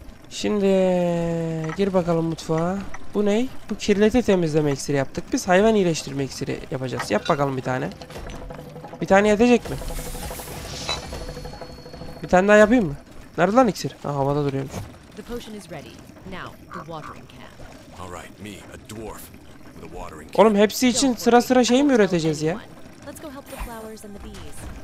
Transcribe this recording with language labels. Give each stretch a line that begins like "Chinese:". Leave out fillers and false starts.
Turkish: Şimdi gir bakalım mutfağa. Bu ney? Bu kirleti temizleme iksiri yaptık. Biz hayvan iyileştirme iksiri yapacağız. Yap bakalım bir tane. Bir tane yetecek mi? Bir tane daha yapayım mı? Nerede lan iksir? Ha, havada duruyormuş.
English: The potion is ready. Now, the watering can. All right, me, a dwarf, with a watering can.
Turkish: Oğlum hepsi için sıra sıra şey mi üreteceğiz ya?
English: Let's go help the flowers and the bees.